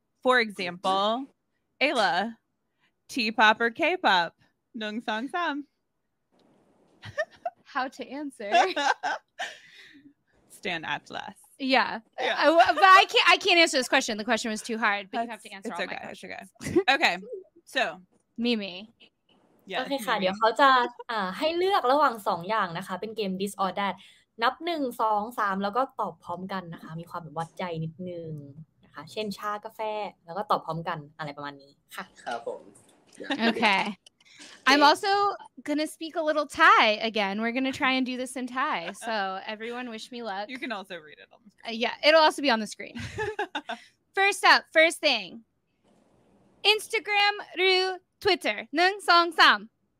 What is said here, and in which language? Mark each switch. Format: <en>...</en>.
<en>For example, Ayla, T-pop or K-pop?</en> <th>Nung Song Sam.</th> <en>How to answer? Stan Atlas. Yeah. Yeah. But I can't answer this question. The question was too hard, but that's, you have to answer all okay, my questions. Okay. Okay. So, Mimi. Yeah.</en> <th>Okay, ค่ะเดี๋ยวเขาจะให้เลือกระหว่าง2อย่างนะคะเป็นเกม This or That นับ1 2 3แล้วก็ตอบพร้อมกันนะคะมีความแบบวัดใจนิดนึงนะคะเช่นชากาแฟแล้วก็ตอบพร้อมกันอะไรประมาณนี้ค่ะ ครับผม</th> <en>Okay. I'm also going to speak a little Thai again. We're going to try and do this in Thai. So everyone wish me luck. You can also read it on the screen. Yeah, it'll also be on the screen. First up, first thing. Instagram, Ru, Twitter.</en> <th>Nung Song Sam.</th>